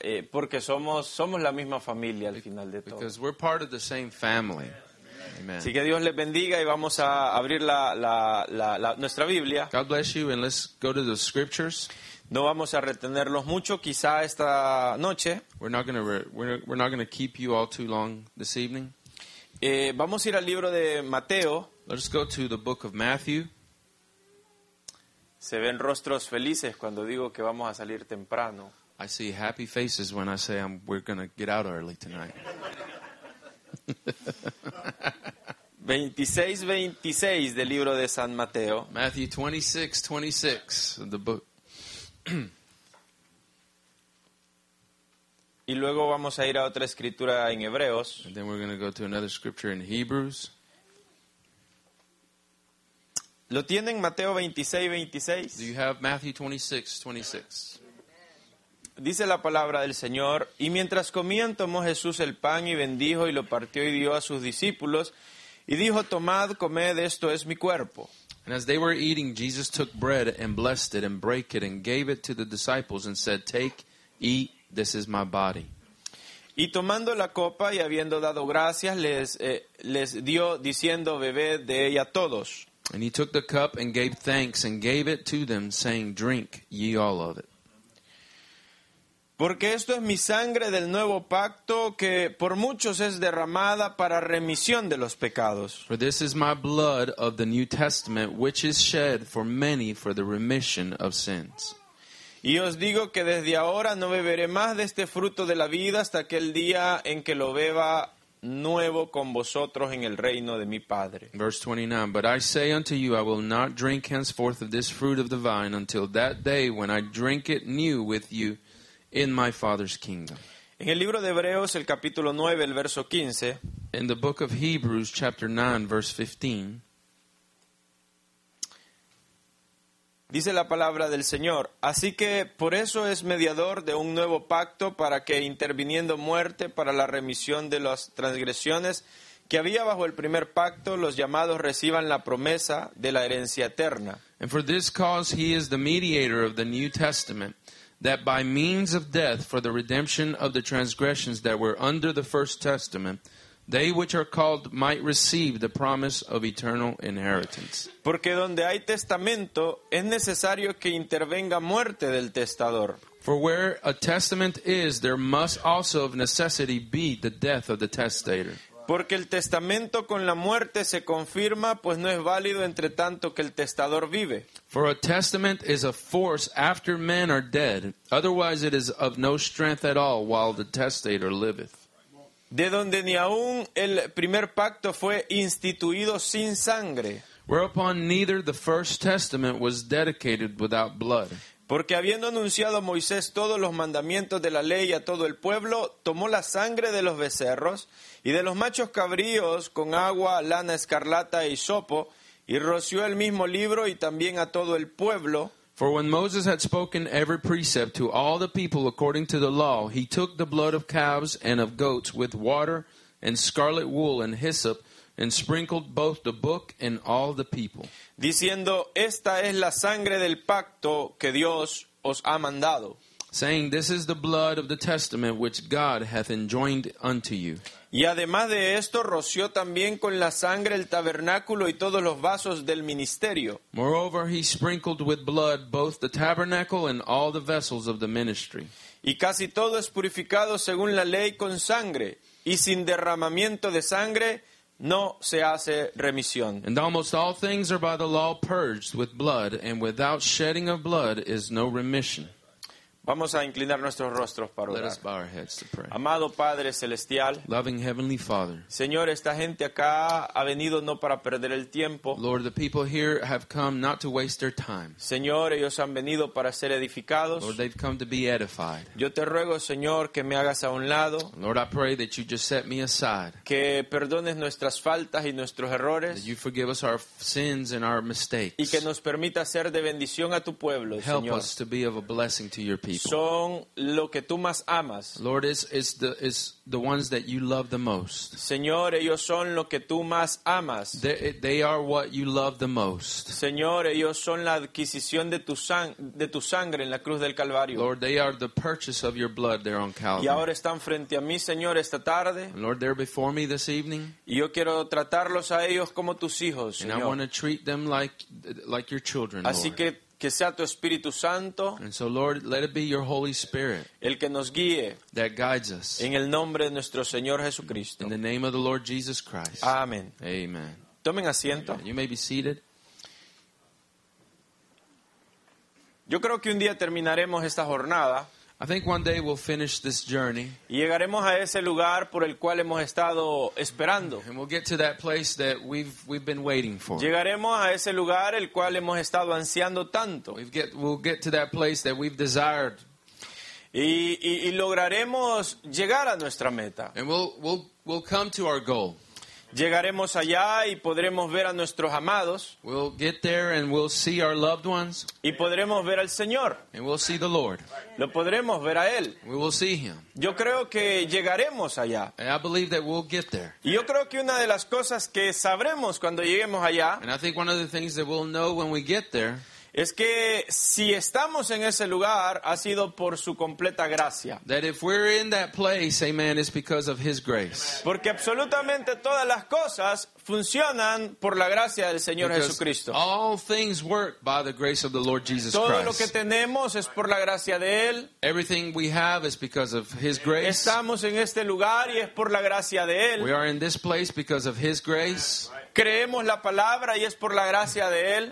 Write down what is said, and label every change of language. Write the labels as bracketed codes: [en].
[es] Porque somos la misma familia al final de todo. [en] Because we're part of the same family. Amen. [es] Así que Dios les bendiga y vamos a abrir la nuestra Biblia. [en] God bless you and let's go to the scriptures. [es] No vamos a retenerlos mucho, quizá esta noche. [en] We're not gonna keep you all too long this evening. [es] Vamos a ir al libro de Mateo. [en] Let's go to the book of Matthew. [es] Se ven rostros felices cuando digo que vamos a salir temprano. [en] I see happy faces when I say we're going to get out early tonight. [es] 26:26 del libro de San Mateo. [en] Matthew 26:26 of the book. [es] Y luego vamos a ir a otra escritura en Hebreos. [en] And then we're going to go to another scripture in Hebrews. [es] ¿Lo tienen Mateo 26:26? [en] Do you have Matthew 26:26? [es] Dice la palabra del Señor, y mientras comían tomó Jesús el pan y bendijo y lo partió y dio a sus discípulos y dijo, tomad, comed, esto es mi cuerpo. [en] And as they were eating, Jesus took bread and blessed it and broke it and gave it to the disciples and said, take, eat, this is my body. [es] Y tomando la copa y habiendo dado gracias, les dio diciendo, bebed de ella todos. [en] And he took the cup and gave thanks and gave it to them saying, drink ye all of it. [es] Porque esto es mi sangre del nuevo pacto que por muchos es derramada para remisión de los pecados. [en] For this is my blood of the New Testament which is shed for many for the remission of sins. [es] Y os digo que desde ahora no beberé más de este fruto de la vida hasta aquel día en que lo beba nuevo con vosotros en el reino de mi Padre. [en] Verse 29, but I say unto you, I will not drink henceforth of this fruit of the vine until that day when I drink it new with you in my Father's kingdom. [es] En el libro de Hebreos, el capítulo 9, el verso 15. [en] In the book of Hebrews, chapter 9, verse 15. [es] Dice la palabra del Señor, así que por eso es mediador de un nuevo pacto para que interviniendo muerte para la remisión de las transgresiones que había bajo el primer pacto, los llamados reciban la promesa de la herencia eterna. [en] And for this cause he is the mediator of the New Testament, that by means of death for the redemption of the transgressions that were under the first testament, they which are called might receive the promise of eternal inheritance. [es] Porque donde hay testamento, es necesario que intervenga muerte del testador. [en] For where a testament is, there must also of necessity be the death of the testator. [es] Porque el testamento con la muerte se confirma, pues no es válido entre tanto que el testador vive. [en] For a testament is a force after men are dead, otherwise it is of no strength at all while the testator liveth. [es] De donde ni aun el primer pacto fue instituido sin sangre. [en] Whereupon neither the first testament was dedicated without blood. [es] Porque habiendo anunciado Moisés todos los mandamientos de la ley a todo el pueblo, tomó la sangre de los becerros y de los machos cabríos con agua, lana escarlata e hisopo, y roció el mismo libro y también a todo el pueblo. [en] For when Moses had spoken every precept to all the people according to the law, he took the blood of calves and of goats with water and scarlet wool and hyssop, and sprinkled both the book and all the people. [es] Diciendo, esta es la sangre del pacto que Dios os ha mandado. [en] Saying, this is the blood of the testament which God hath enjoined unto you. [es] Y además de esto, roció también con la sangre el tabernáculo y todos los vasos del ministerio. [en] Moreover, he sprinkled with blood both the tabernacle and all the vessels of the ministry. [es] Y casi todo es purificado según la ley con sangre, y sin derramamiento de sangre no se hace remisión. [en] And almost all things are by the law purged with blood, and without shedding of blood is no remission. [es] Vamos a inclinar nuestros rostros para orar. [en] Let us bow our heads to pray. [es] Amado Padre Celestial, [en] loving Heavenly Father, [es] Señor, esta gente acá ha venido no para perder el tiempo. [en] Lord, the people here have come not to waste their time. [es] Señor, ellos han venido para ser edificados. [en] Lord, they've come to be edified. [es] Yo te ruego, Señor, que me hagas a un lado. [en] Lord, I pray that you just set me aside. [es] Que perdones nuestras faltas y nuestros errores. [en] That you forgive us our sins and our mistakes. [es] Y que nos permita ser de bendición a tu pueblo, [en] help [es] Señor. [en] Help us to be of a blessing to your people. [es] Son lo que tú más amas. [en] Lord, it's the ones that you love the most. [es] Señor, ellos son lo que tú más amas. [en] They are what you love the most. [es] Señor, ellos son la adquisición de tu sangre en la cruz del Calvario. [en] Lord, they are the purchase of your blood there on Calvary. [es] Y ahora están frente a mí, Señor, esta tarde. [en] And Lord, they're before me this evening. [es] Y yo quiero tratarlos a ellos como tus hijos, [en] and [es] Señor. [en] And I want to treat them like your children, [es] así [en] Lord. [es] Que que sea tu Espíritu Santo, [en] and so Lord, let it be your Holy Spirit, [es] el que nos guíe, [en] that guides us, [es] en el nombre de nuestro Señor Jesucristo, [en] in the name of the Lord Jesus Christ. Amen. Amen. [es] Tomen asiento. [en] You may be seated. [es] Yo creo que un día terminaremos esta jornada. [en] I think one day we'll finish this journey. [es] Y llegaremos a ese lugar por el cual hemos estado esperando. [en] And we'll get to that place that we've been waiting for. [es] Llegaremos a ese lugar el cual hemos estado ansiando tanto. [en] We'll get to that place that we've desired. [es] Y lograremos llegar a nuestra meta. [en] And we'll come to our goal. [es] Llegaremos allá y podremos ver a nuestros amados. [en] We'll get there and we'll see our loved ones. [es] Y podremos ver al Señor. [en] And we'll see the Lord. [es] Lo podremos ver a Él. [en] We will see Him. [es] Yo creo que llegaremos allá. [en] And I believe that we'll get there. [es] Y yo creo que una de las cosas que sabremos cuando lleguemos allá, [en] and I think one of the things that we'll know when we get there, [es] es que si estamos en ese lugar, ha sido por su completa gracia. [en] That if we're in that place, amen, it's because of His grace. [es] Porque absolutamente todas las cosas funcionan por la gracia del Señor [en] because [es] Jesucristo. [en] All things work by the grace of the Lord Jesus [es] Todo [en] Christ. [es] Lo que tenemos es por la gracia de Él. [en] Everything we have is because of His grace. [es] Estamos en este lugar y es por la gracia de Él. [en] We are in this place because of His grace. [es] Creemos la palabra y es por la gracia de él.